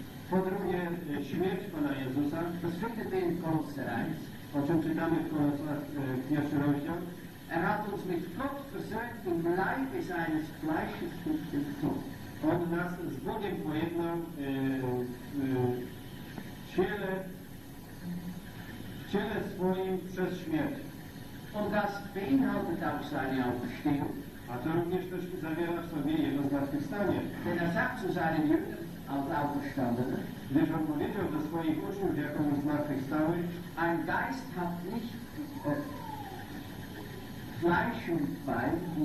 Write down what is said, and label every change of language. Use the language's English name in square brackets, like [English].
[Polish] Po drugie, śmierć Pana Jezusa, to święty ten konserwis, o czym czytamy w pierwszym rozdział. [German] Er hat uns mit Gott versöhnt im Leibe seines Fleisches durch den Tod. [Polish] On nas z Bogiem pojednał w ciele swoim przez śmierć. [German] Und das beinhaltet auch seine Auferstehung. [Polish] A to również też zawiera w sobie jego zmartwychwstanie. [German] Denn er sagt zu seinen Jüngern, als auferstanden, [Polish] gdyż on powiedział do swoich uczniów, jako mu zmartwychwstały, [German] ein Geist hat nicht Fleisch und Bein,